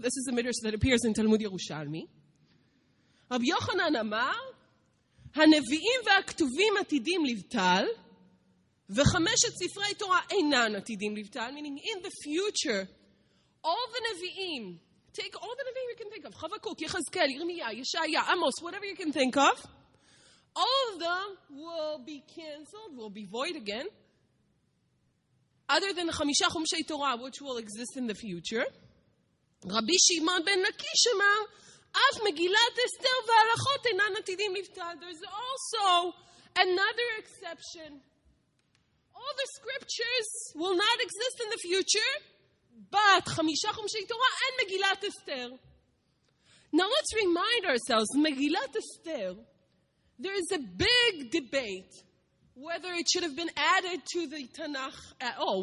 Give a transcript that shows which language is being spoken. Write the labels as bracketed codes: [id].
[en] This is the midrash that appears in Talmud Yerushalmi. Rabbi Yochanan amar, [he] הנביאים והכתובים עתידים לבטל, [en] וחמשת ספרי תורה אינן עתידים לבטל, meaning in the future, all the נביאים, take all the נביאים you can think of, חבקוק, יחזקאל, ירמיה, ישעיה, עמוס, whatever you can think of, all of them will be canceled, will be void again, other than חמישה חומשי תורה, which will exist in the future. [he] רבי שמעון בן לקיש אמר, אף מגילת אסתר והלכות אינן עתידים לבטל. [en] There's also another exception. All the scriptures will not exist in the future, but חמישה חומשי תורה and מגילת אסתר. Now let's remind ourselves, מגילת אסתר, there is a big debate whether it should have been added to the Tanakh at all.